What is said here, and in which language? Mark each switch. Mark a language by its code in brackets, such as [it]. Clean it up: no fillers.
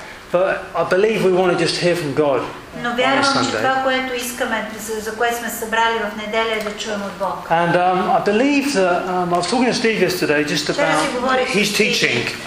[en] But I believe we want to just hear from God. [bg] Но вярвам, че това, което искаме, за което сме събрали в неделя, е да чуем от Бог. [en] And I believe that I was talking to Steve yesterday just about his teaching